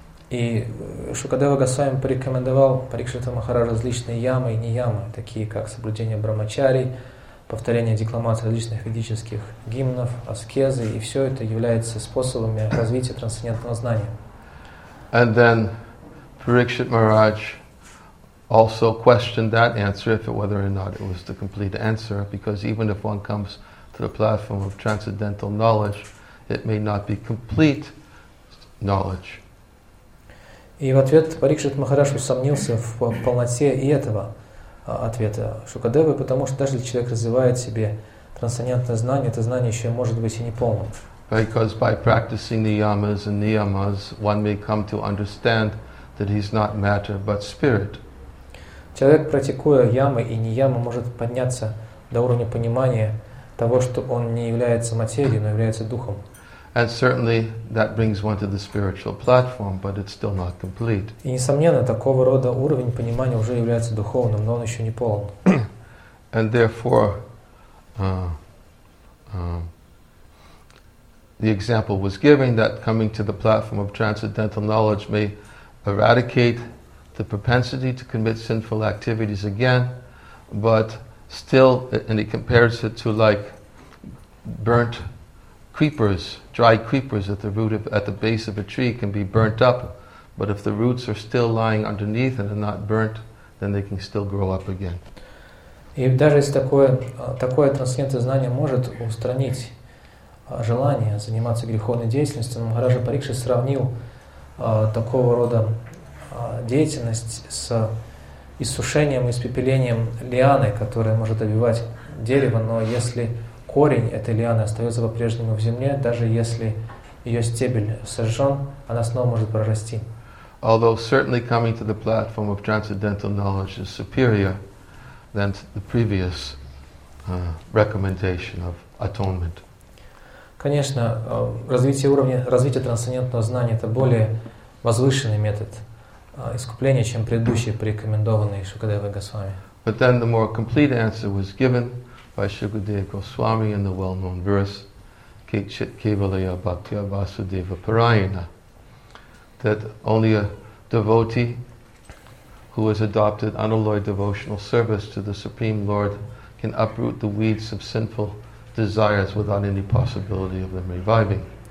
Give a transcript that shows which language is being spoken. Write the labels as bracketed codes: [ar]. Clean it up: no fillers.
[ru] И Шукадева Госвами порекомендовал Парикшита Махараджа различные ямы и ниямы, такие как соблюдение брахмачари, повторение декламации различных ведических гимнов, аскезы, и все это является способами развития трансцендентного знания. [en] And then Parikshit Maharaj also questioned that answer, if it, whether or not it was the complete answer, because even if one comes to the platform of transcendental knowledge, it may not be complete knowledge. [ru] И в ответ Парикшит Махарадж усомнился в полноте и этого ответа Шукадевы, потому что даже если человек развивает в себе трансцендентное знание, это знание еще может быть и неполным. [en] Because by practicing the yamas and niyamas, one may come to understand that he's not matter but spirit. [ru] Человек, практикуя ямы и ниямы, может подняться до уровня понимания того, что он не является материей, но является духом. [en] And certainly that brings one to the spiritual platform, but it's still not complete. [ru] И несомненно, такого рода уровень понимания уже является духовным, но он еще не полон. [en] And therefore, the example was given that coming to the platform of transcendental knowledge may eradicate the propensity to commit sinful activities again, but still, and it compares it to like burnt creepers, dry creepers at the root of, at the base of a tree can be burnt up, but if the roots are still lying underneath and are not burnt, then they can still grow up again. [ru] И даже если такое трансцендентное знание может устранить желание заниматься греховной деятельностью, Махараджа Парикшит сравнил такого рода деятельность с иссушением, испепелением лианы, которая может обивать дерево, но если корень этой лианы остается по-прежнему в земле, даже если ее стебель сожжен, она снова может прорасти. [en] Although certainly coming to the platform of transcendental knowledge is superior than the previous recommendation of atonement. [ru] Конечно, развитие уровня, развитие трансцендентного знания — это более возвышенный метод искупления, чем предыдущие порекомендованные Шукадевой Госвами. [en] But then the more complete answer was given by Shukadeva Goswami in the well-known verse [sa] Kichit Kevalaya Bhaktya Vasudeva Parayana, [en] that only a devotee who has adopted unalloyed devotional service to the Supreme Lord can uproot the weeds of sinful desires without any possibility of them reviving.